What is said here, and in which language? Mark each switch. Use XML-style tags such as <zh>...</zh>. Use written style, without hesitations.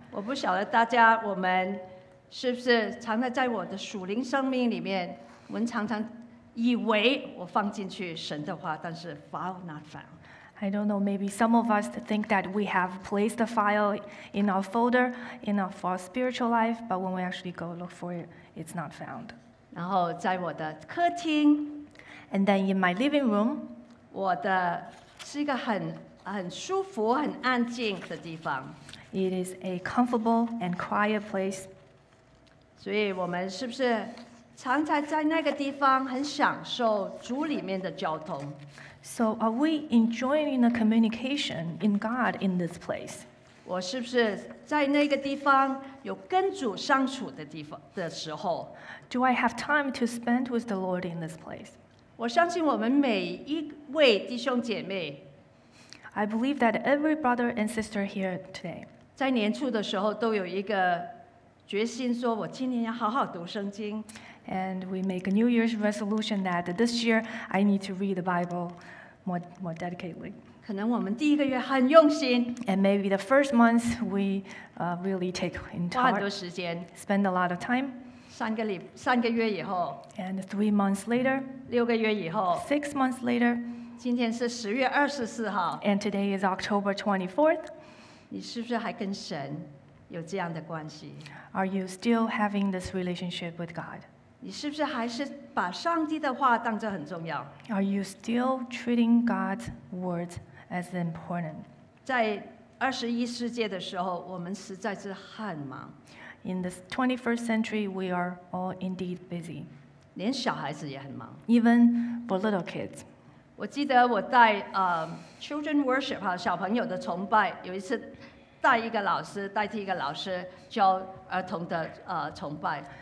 <zh>我不晓得大家我们是不是常常在我的属灵生命里面，我们常常以为我放进去神的话，但是</zh> <en>file not found. I don't know. Maybe some of us think that we have placed the file in our folder in our spiritual life, but when we actually go look for it, it's not found.</en> <zh>然后在我的客厅。</zh> <en>And then in my living room,</en> <zh>我的是一个很舒服、很安静的地方。</zh> <en>It is a comfortable and quiet place.</en> <zh>所以我们是不是常常在那个地方很享受主里面的交通</zh> <en>？So are we enjoying the communication in God in this place?</en> <zh>我是不是在那个地方有跟主相处的地方的时候</zh> <en>？Do I have time to spend with the Lord in this place?</en> <zh>我相信我们每一位弟兄姐妹</zh> <en>，I believe that every brother and sister here today，</en> <zh>在年初的时候都有一个决心，说我今年要好好读圣经。</zh> <en>And we make a New Year's resolution that this year I need to read the Bible more dedicatedly。</en> <zh>可能我们第一个月很用心</zh> <en>，And maybe the first month we really take into heart，</en> <zh>花很多时间</zh> <en>，spend a lot of time。</en> <zh>三个月以后</zh> <en>，and 3 months later，</en> <zh>6个月以后</zh> <en>，6 months later，</en> <zh>今天是10月24号</zh> <en>，and today is October 24th。</en> <zh>你是不是还跟神有这样的关系</zh> <en>？Are you still having this relationship with God？</en> <zh>你是不是还是把上帝的话当作很重要</zh> <en>？Are you still treating God's words as important？</en> <zh>在21世纪的时候，我们实在是很忙。</zh> <en>In the 21st century, we are all indeed busy.</en> <zh>连小孩子也很忙。</zh> <en>Even for little kids.</en> <zh>我记得我带</zh> <en>children worship</en> <zh>哈小朋友的崇拜，有一次带一个老师代替一个老师教儿童的崇拜。</zh>